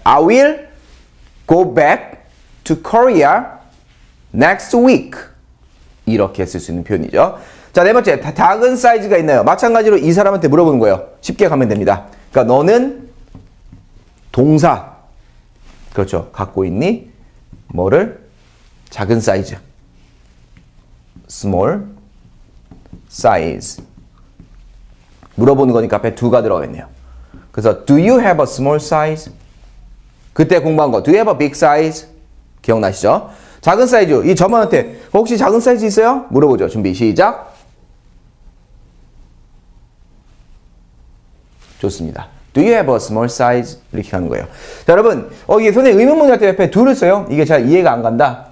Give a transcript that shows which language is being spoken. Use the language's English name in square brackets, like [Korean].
[English] I will go back to Korea next week. [Korean] 이렇게 쓸 수 있는 표현이죠. 자, 네 번째. 작은 사이즈가 있나요? 마찬가지로 이 사람한테 물어보는 거예요. 쉽게 가면 됩니다. 그러니까 너는 동사. 그렇죠. 갖고 있니? 뭐를? 작은 사이즈. [English] Small size. [Korean] 물어보는 거니까 앞에 두가 들어가겠네요. 그래서 [English] Do you have a small size? [Korean] 그때 공부한 거. [English] Do you have a big size? [Korean] 기억나시죠? 작은 사이즈. 이 점원한테 혹시 작은 사이즈 있어요? 물어보죠. 준비 시작. 좋습니다. [English] Do you have a small size? [Korean] 이렇게 가는 거예요. 자, 여러분, 이게 손에 의문문이 할 때 옆에 둘을 써요. 이게 잘 이해가 안 간다.